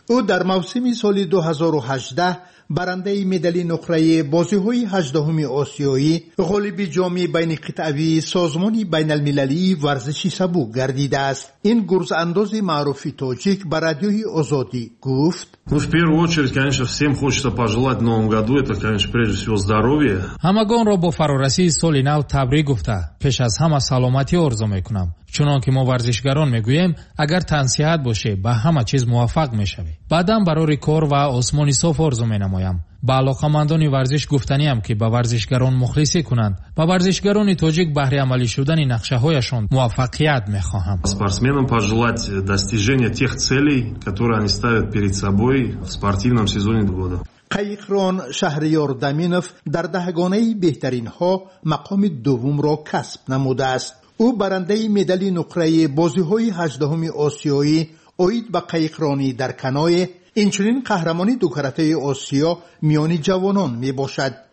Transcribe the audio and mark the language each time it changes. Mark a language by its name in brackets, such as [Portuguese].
[Persian] او در موسم سال 2018 برنده مدال نقره بازی های 18 آسیایی، غالب جام بین قطعوی سازمان بین المللی ورزشی سبو گردیده است. این گرز انداز معروف تاجیک بر رادیوی آزادی گفت: [Russian] Ну, в первую очередь, конечно, всем хочется пожелать новому году, это, конечно, прежде всего здоровье. [Tajik] Амагон ро бо фарораси соли нав табрик гуфта. Пеш аз хама саломати орзу мекунам. Чунон ки мо варзишгарон мегуем, агар тансиҳат боше, ба хама чиз муваффақ мешави. Баъдан барори кор ва осмони соф орзу менамоям. Ба алоқамандони варзиш гуфтаниам ки ба варзишгарон мухлисӣ кунанд. Ба варзишгарони тоҷик баҳри амалӣ шудани нақшаҳояшон муваффақият мехоҳам. [Russian] Спортсменам пожелать достижения тех целей, которые они ставят перед собой в спортивном сезоне года. [Tajik] Қайиқрон Шаҳриёр Даминов дар даҳгонаи беҳтаринҳо мақоми дуввумро касб намудааст. Ӯ барандаи медали нуқраи бозиҳои 18-уми осиёӣ оид ба қайиқронӣ дар каное, инчунин қаҳрамони дукаратаи осиё миёни ҷавонон мебошад.